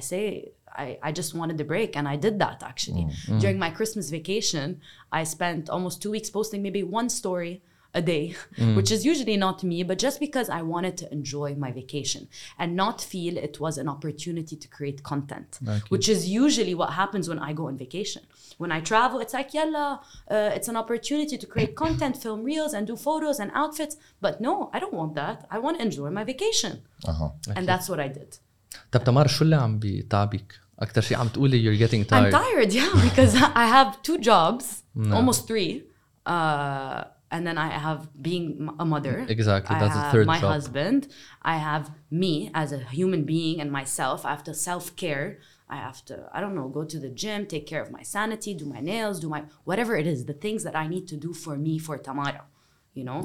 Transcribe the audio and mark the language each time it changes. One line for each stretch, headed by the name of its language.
English: I just wanted a break and I did that actually. During my Christmas vacation, I spent almost 2 weeks posting maybe one story a day, which is usually not me, but just because I wanted to enjoy my vacation and not feel it was an opportunity to create content, which is usually what happens when I go on vacation. When I travel, it's like, yalla, it's an opportunity to create content, film reels and do photos and outfits. But no, I don't want that. I want to enjoy my vacation. And that's what I did.
Arabic: طب تمار شو اللي عم بيتعبك؟ أكتر شيء عم تقولي
English: you're getting tired. I'm tired, yeah, because I have 2 jobs, almost 3. And then I have being a mother. Exactly, that's the third job. I have my husband. I have me as a human being and myself. I have to self-care. I have to, I don't know, go to the gym, take care of my sanity, do my nails, do my, whatever it is, the things that I need to do for me, for Tamara, you know?